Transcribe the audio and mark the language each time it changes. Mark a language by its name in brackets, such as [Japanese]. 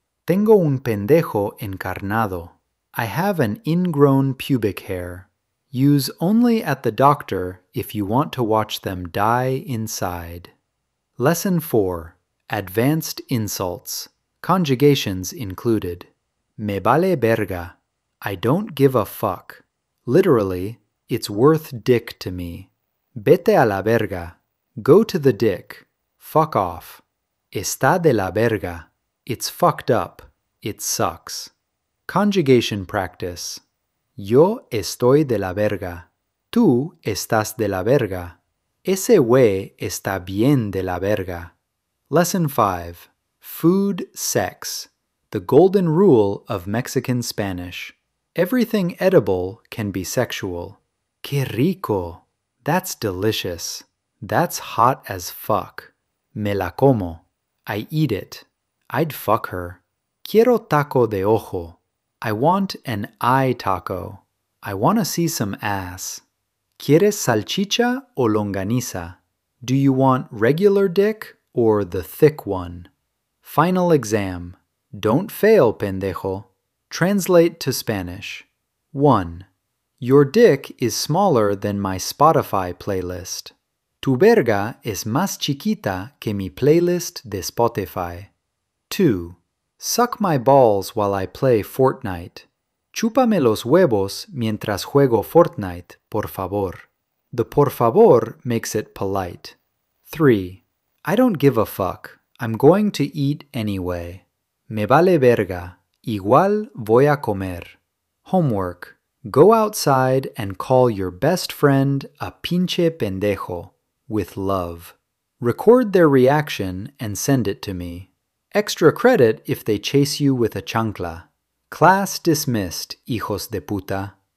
[Spanish] Tengo un pendejo encarnado. [English] I have an ingrown pubic hair. Use only at the doctor if you want to watch them die inside. Lesson 4. Advanced insults. Conjugations included. [Spanish] Me vale verga. [English] I don't give a fuck. Literally, it's worth dick to me. [Spanish] Vete a la verga. [English] Go to the dick. Fuck off. [Spanish] Está de la verga. [English] It's fucked up. It sucks. Conjugation practice. [Spanish] Yo estoy de la verga. Tú estás de la verga. Ese güey está bien de la verga. [English] Lesson 5. Food, sex. The golden rule of Mexican Spanish. Everything edible can be sexual. [Spanish] Qué rico. [English] That's delicious. That's hot as fuck. [Spanish] Me la como. [English] I eat it. I'd fuck her. [Spanish] Quiero taco de ojo. [English] I want an eye taco. I want to see some ass. [Spanish] ¿Quieres salchicha o longaniza? [English] Do you want regular dick or the thick one? Final exam. Don't fail, pendejo. Translate to Spanish. 1. Your dick is smaller than my Spotify playlist. [Spanish] Tu verga es más chiquita que mi playlist de Spotify. 2. [English] Suck my balls while I play Fortnite. [Spanish] Chúpame los huevos mientras juego Fortnite, por favor. [English] The por favor makes it polite. 3. I don't give a fuck. I'm going to eat anyway. [Spanish] Me vale verga. Igual voy a comer. Homework. [English] Go outside and call your best friend a [Spanish] pinche pendejo. [English] With love. Record their reaction and send it to me. Extra credit if they chase you with a chancla. Class dismissed, [Spanish] hijos de puta.